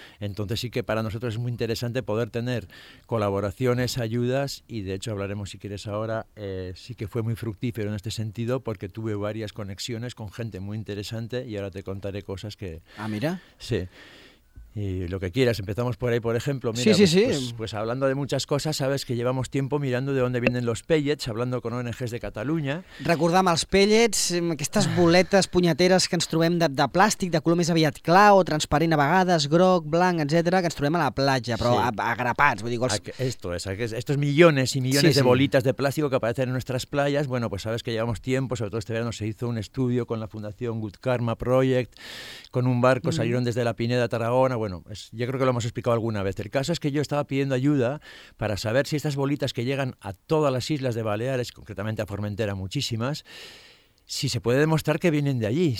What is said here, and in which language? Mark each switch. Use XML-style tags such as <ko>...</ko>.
<es>Entonces sí que para nosotros es muy interesante poder tener colaboraciones, ayudas, y de hecho hablaremos, si quieres, ahora, sí que fue muy fructífero en este sentido porque tuve varias conexiones con gente muy interesante y ahora te contaré cosas que... Ah, mira. Sí. Y lo que quieras, empezamos por ahí, por ejemplo. Mira, sí, sí, sí. Pues hablando de muchas cosas, sabes que llevamos tiempo mirando de dónde vienen los pellets, hablando con ONGs de Cataluña.</es> <ca>Recordam els pellets, aquestes boletes punyeteres que ens trobem de plàstic, de color més aviat clar o transparent a vegades, groc, blanc, etc., que ens trobem a la platja, però sí. Agrapats. Vull dir, els...</ca> <es>Estos millones y millones, sí, de bolitas, sí, de plástico que aparecen en nuestras playas, bueno, pues sabes que llevamos tiempo, sobre todo este verano se hizo un estudio con la Fundación Good Karma Project, con un barco, salieron desde la Pineda a Tarragona. Bueno, yo creo que lo hemos explicado alguna vez. El caso es que yo estaba pidiendo ayuda para saber si estas bolitas que llegan a todas las islas de Baleares, concretamente a Formentera, muchísimas, si se puede demostrar que vienen de allí.</es>